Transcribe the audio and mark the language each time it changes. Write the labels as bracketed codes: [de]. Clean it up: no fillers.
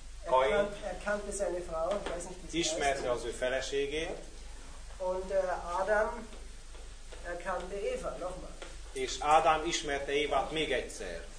[de] Kain, erkannte seine Frau, ich weiß nicht, [hu] wie ismerte az ő feleségét. [de] Und Adam erkannte Eva, nochmal. [hu] És Ádám ismerte Évát még egyszer.